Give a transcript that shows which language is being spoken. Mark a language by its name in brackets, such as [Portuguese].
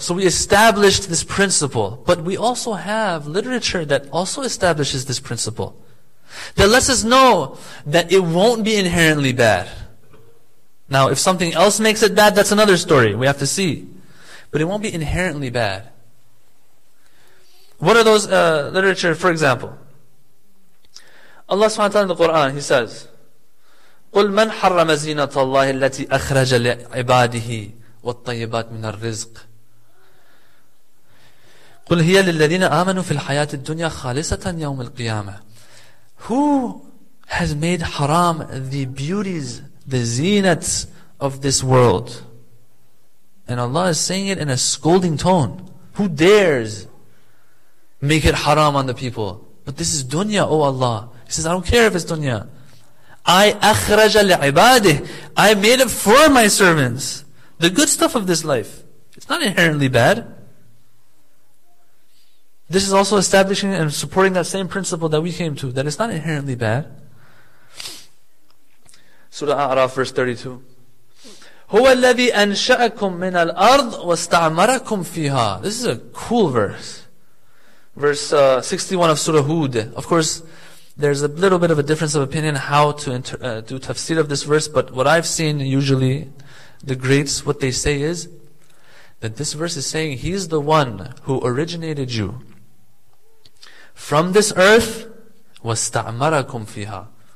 [English] So we established this principle, but we also have literature that also establishes this principle. That lets us know that it won't be inherently bad. Now, if something else makes it bad, that's another story. We have to see. But it won't be inherently bad. What are those literature, for example? [Arabic] Allah subhanahu wa ta'ala in the Quran, He says, قُلْ مَنْ حَرَّمَ زِينَةَ اللَّهِ الَّتِي أَخْرَجَ لِعِبَادِهِ وَالطَّيِّبَاتِ مِنَ الرِّزْقِ قُلْ هِيَ لِلَّذِينَ آمَنُوا فِي الْحَيَاةِ الدُّنْيَا خَالِصَةً يَوْمِ الْقِيَامَةِ [English] Who has made haram the beauties, the zenat of this world? And Allah is saying it in a scolding tone. Who dares make it haram on the people? But this is dunya, O Allah. He says, I don't care if it's dunya. I akhraja li'ibadih. I made it for my servants. The good stuff of this life. It's not inherently bad. This is also establishing and supporting that same principle that we came to, that it's not inherently bad. Surah A'raf, verse 32. [Arabic] هو الذي أنشأكم من الأرض واستعمركم فيها. [English] This is a cool verse. Verse 61 of Surah Hud. Of course, there's a little bit of a difference of opinion how to do tafsir of this verse, but what I've seen usually, the greats, what they say is that this verse is saying He's the one who originated you from this earth [Arabic] واستعمركم فيها.